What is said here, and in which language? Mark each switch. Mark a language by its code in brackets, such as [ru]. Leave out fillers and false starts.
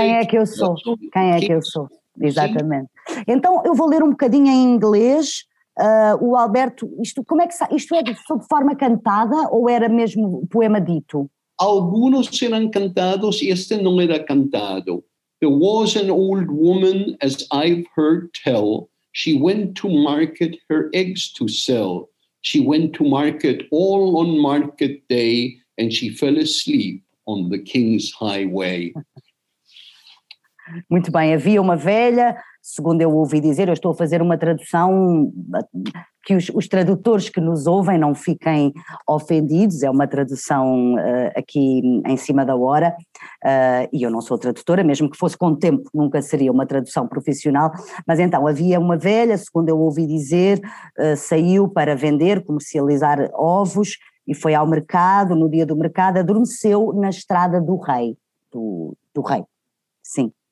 [pt] Quem é que eu sou? Quem é que eu sou? Exatamente. Sim. Então eu vou ler um bocadinho em inglês. O Alberto, isto, como é que, isto é de forma cantada ou era mesmo poema dito? Alguns eram cantados e este não era cantado. [en] There was an old woman, as I've heard tell, she went to market her eggs to sell. She went to market all on market day and she fell asleep on the king's highway. [pt] Muito bem, havia uma velha, segundo eu ouvi dizer, eu estou a fazer uma tradução que os tradutores que nos ouvem não fiquem ofendidos, é uma tradução aqui em cima da hora, e eu não sou tradutora, mesmo que fosse com tempo nunca seria uma tradução profissional, mas então havia uma velha, segundo eu ouvi dizer, saiu para vender, comercializar ovos e foi ao mercado, no dia do mercado adormeceu na estrada do rei, do rei, sim.